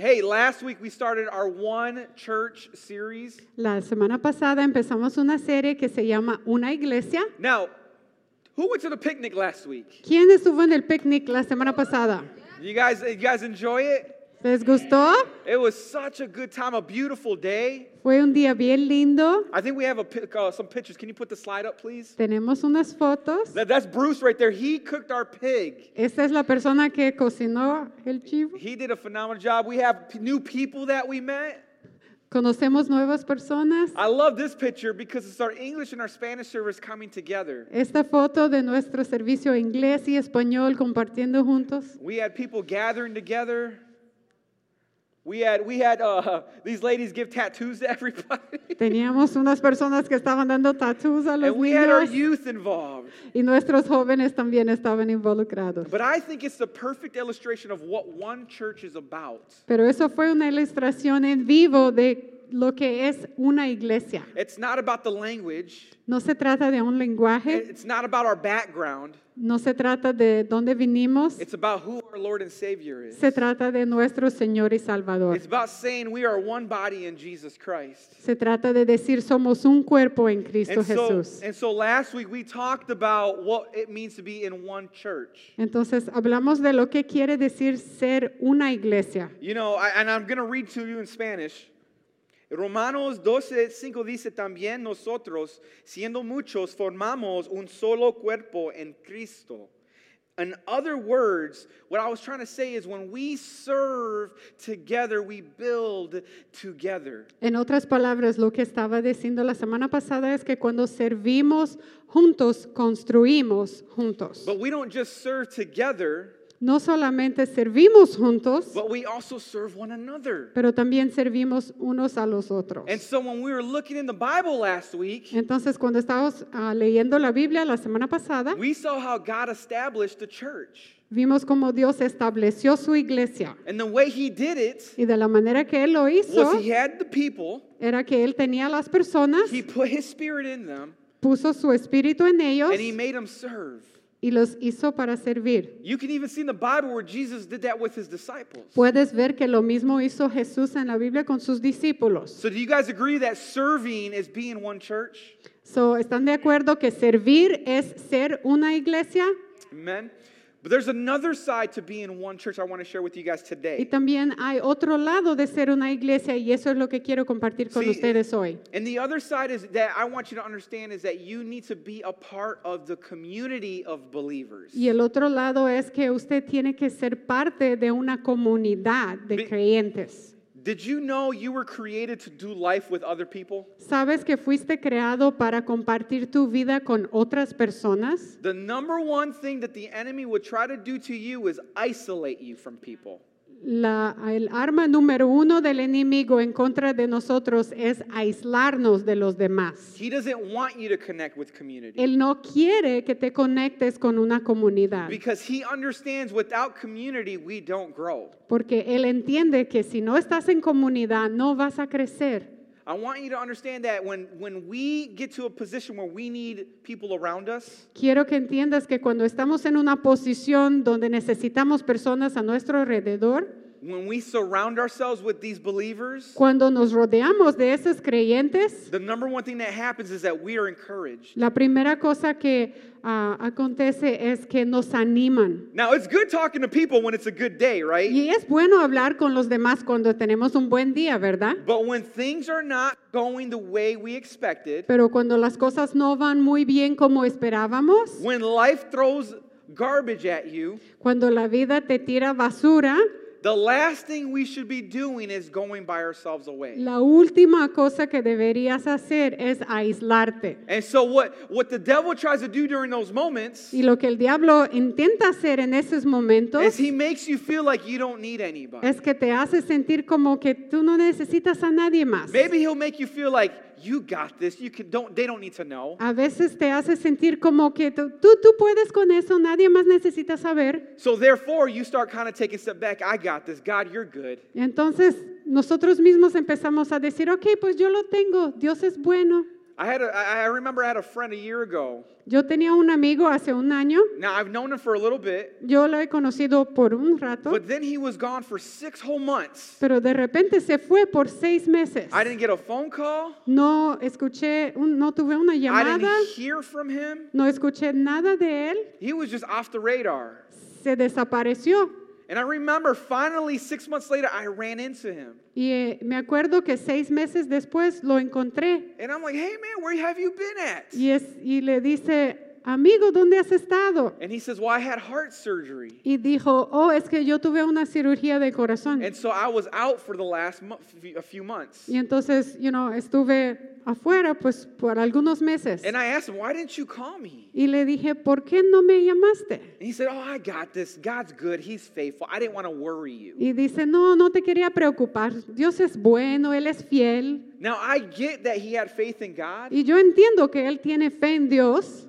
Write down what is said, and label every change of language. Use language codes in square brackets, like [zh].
[en] Hey, last week we started our One Church series. [es] La semana pasada empezamos una serie que se llama Una Iglesia. [en] Now, who went to the picnic last week? [es] ¿Quién estuvo en el picnic la semana pasada? [en] You guys enjoy it? [es] ¿Les gustó? [en] It was such a good time, a beautiful day. [es] Fue un día bien lindo. [en] I think we have some pictures. Can you put the slide up, please? [es] Tenemos unas fotos. [en] That's Bruce right there. He cooked our pig. [es] Esta es la persona que cocinó el chivo. [en] He did a phenomenal job. We have new people that we met. [es] Conocemos nuevas personas. [en] I love this picture because it's our English and our Spanish service coming together. [es] Esta foto de nuestro servicio inglés y español compartiendo juntos. [en] We had people gathering together. We had these ladies give tattoos to everybody. [es] Teníamos unas personas que estaban dando tattoos a los niños. [en] And we had our youth involved. [es] Y nuestros jóvenes también estaban involucrados. [en] But I think it's the perfect illustration of what One Church is about. [es] Pero eso fue una ilustración en vivo de lo que es una iglesia. [en] It's not about the language. [es] No se trata de un lenguaje. [en] It's not about our background. [es] No se trata de dónde vinimos. [en] It's about who our Lord and Savior is. [es] Se trata de nuestro Señor y Salvador. [en] It's about saying we are one body in Jesus Christ. [es] Se trata de decir somos un cuerpo en Cristo Jesús. [en] And so last week we talked about what it means to be in one church. [es] Entonces hablamos de lo que quiere decir ser una iglesia. [en] You know, I'm going to read to you in Spanish. [es] Romanos 12:5 dice también nosotros, siendo muchos, formamos un solo cuerpo en Cristo. [en] In other words, what I was trying to say is when we serve together, we build together. [es] En otras palabras, lo que estaba diciendo la semana pasada es que cuando servimos juntos, construimos juntos. [en] But we don't just serve together. [es] No solamente servimos juntos, [en] but we also serve one another. [es] Pero también servimos unos a los otros. [en] And so when we were looking in the Bible last week, [es] entonces cuando estábamos leyendo la Biblia la semana pasada, [en] we saw how God established the church. [es] Vimos cómo Dios estableció su iglesia. [en] And the way he did it, [es] y de la manera que él lo hizo, [en] was he had the people, [es] era que él tenía las personas, [en] he put his spirit in them, [es] puso su espíritu en ellos, [en] and he made them serve. [es] Y los hizo para servir. [en] You can even see in the Bible where Jesus did that with his disciples. [es] Puedes ver que lo mismo hizo Jesús en la Biblia con sus discípulos. [en] So do you guys agree that serving is being one church? [es] So, ¿están de acuerdo que servir es ser una iglesia? [en] Amen. But there's another side to being one church I want to share with you guys today. [es] Y también hay otro lado de ser una iglesia y eso es lo que quiero compartir con ustedes hoy. [en] And the other side is that I want you to understand is that you need to be a part of the community of believers. [es] Y el otro lado es que usted tiene que ser parte de una comunidad de creyentes. [en] Did you know you were created to do life with other people? [es] ¿Sabes que fuiste creado para compartir tu vida con otras personas? [en] The number one thing that the enemy would try to do to you is isolate you from people. [es] El arma número uno del enemigo en contra de nosotros es aislarnos de los demás. [en] He doesn't want you to connect with community. [es] Él no quiere que te conectes con una comunidad. [en] Because he understands without community we don't grow. [es] Porque él entiende que si no estás en comunidad no vas a crecer. [en] I want you to understand that when we get to a position where we need people around us, [es] quiero que entiendas que cuando estamos en una posición donde necesitamos personas a nuestro alrededor, [en] when we surround ourselves with these believers, [es] cuando nos rodeamos de esos creyentes, [en] the number one thing that happens is that we are encouraged. [es] La primera cosa que acontece es que nos animan. [en] Now it's good talking to people when it's a good day, right? [es] Y es bueno hablar con los demás cuando tenemos un buen día, ¿verdad? [en] But when things are not going the way we expected, [es] pero cuando las cosas no van muy bien como esperábamos, [en] when life throws garbage at you, [es] cuando la vida te tira basura, [en] the last thing we should be doing is going by ourselves away. [es] La última cosa que deberías hacer es aislarte. [en] And so what the devil tries to do during those moments, [es] y lo que el diablo intenta hacer en esos momentos, [en] is he makes you feel like you don't need anybody. [es] Es que te hace sentir como que tú no necesitas a nadie más. [en] Maybe he'll make you feel like you got this. They don't need to know. [es] A veces te hace sentir como que tú puedes con eso. Nadie más necesita saber. [en] So therefore, you start kind of taking a step back. I got this. God, you're good. [es] Entonces, nosotros mismos empezamos a decir, okay, pues yo lo tengo. Dios es bueno. [en] I remember I had a friend a year ago. [es] Yo tenía un amigo hace un año. [en] Now I've known him for a little bit. [es] Yo lo he conocido por un rato. [en] But then he was gone for 6 whole months. [es] Pero de repente se fue por 6 meses. [en] I didn't get a phone call. [es] No escuché, no tuve una llamada. [en] I didn't hear from him. [es] No escuché nada de él. [en] He was just off the radar. [es] Se desapareció. [en] And I remember finally 6 months later I ran into him. [es] Y me acuerdo que 6 meses después lo encontré. [en] And I'm like, hey man, where have you been at? [es] Y le dice, amigo, ¿dónde has estado? [en] And he says, well, I had heart surgery. [es] Y dijo, oh, es que yo tuve una cirugía de corazón. [en] And so I was out for the last few months. [es] Y entonces, [en] you know, [es] estuve afuera pues por algunos meses. [en] And I asked him, why didn't you call me? [es] Y le dije, ¿por qué no me llamaste? [en] And he said, oh, I got this. God's good. He's faithful. I didn't want to worry you. [es] Y dice, no, no te quería preocupar. Dios es bueno. Él es fiel. [en] Now I get that he had faith in God. [es] Y yo entiendo que él tiene fe en Dios.